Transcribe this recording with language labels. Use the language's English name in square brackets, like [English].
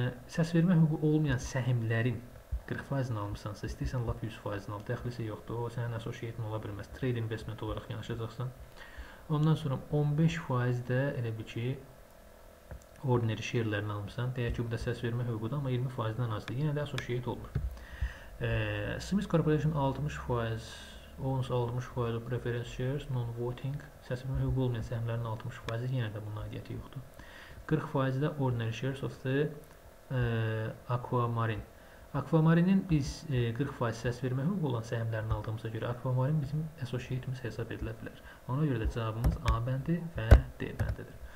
[Azerbaijani] Səs vermə hüququ olmayan səhimlərin 40%-ni almışsan, istəyirsən, lap 100%-ni al. Dəxilisə yoxdur, o sənin associate-in ola bilməz. Trade investment olaraq yanaşacaqsan. Ondan sonra 15% də elə bil ki, ordinary share-lərini almışsan. Deyək ki, bu da səs vermə hüququdur, amma 20%-dən azdır. Yenə də associate olmur. [English] Smith Corporation 60%, owns 60% of preference shares, non-voting. [Azerbaijani] Səs vermə hüququ olmayan səhmlərin 60%-i yenə də bunun aidiyyəti yoxdur. 40% də [English] ordinary shares of the Aquamarine. [Azerbaijani] Aquamarine-in biz 40% səs vermə hüququ olan səhmlərini aldığımıza görə Aquamarine bizim associate-imiz hesab edilə bilər. Ona görə də cavabımız A bəndi və D bəndidir.